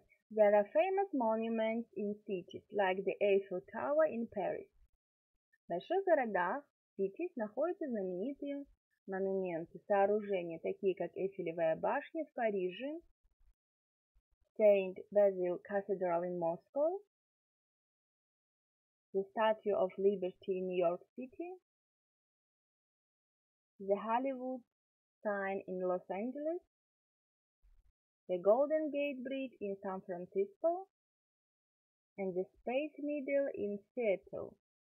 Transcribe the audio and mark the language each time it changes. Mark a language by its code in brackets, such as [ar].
[en] There are famous monuments in cities, like the Eiffel Tower in Paris. [ru] В больших городах, cities, находятся знаменитые монументы, сооружения, такие как Эйфелевая башня в Париже, [en] St. Basil Cathedral in Moscow, the Statue of Liberty in New York City, the Hollywood sign in Los Angeles, the Golden Gate Bridge in San Francisco, and the Space Needle in Seattle.